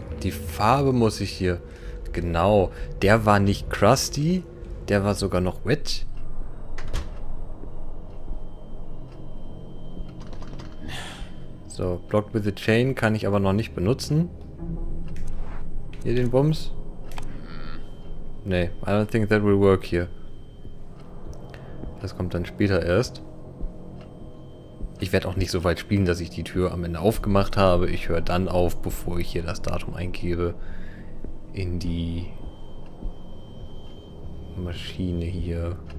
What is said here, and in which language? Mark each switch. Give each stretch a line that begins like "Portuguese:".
German: Die Farbe muss ich hier. Genau. Der war nicht crusty. Der war sogar noch wet. So, Blocked with a Chain kann ich aber noch nicht benutzen. Hier den Bums.
English: Nee, I don't think that will work here.
German: Das kommt dann später erst. Ich werde auch nicht so weit spielen, dass ich die Tür am Ende aufgemacht habe. Ich höre dann auf, bevor ich hier das Datum eingebe in die Maschine hier.